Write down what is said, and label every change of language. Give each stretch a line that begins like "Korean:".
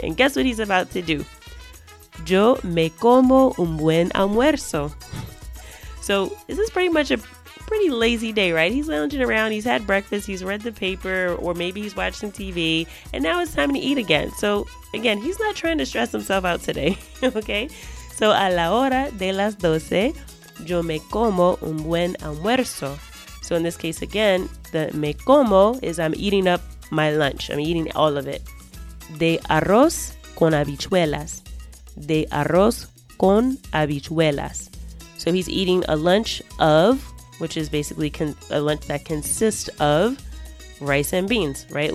English: And guess what he's about to do?
Spanish: Yo me como un buen almuerzo.
English: So this is pretty much a pretty lazy day, right? He's lounging around, he's had breakfast, he's read the paper, or maybe he's watched some TV, and now it's time to eat again. So again, he's not trying to stress himself out today, okay?
Spanish: So a la hora de las doce, yo me como un buen almuerzo.
English: So in this case, again, the
Spanish: me como
English: is I'm eating up my lunch. I'm eating all of it.
Spanish: De arroz con habichuelas. De arroz con habichuelas.
English: So he's eating a lunch of, which is basically a lunch that consists of rice and beans, right?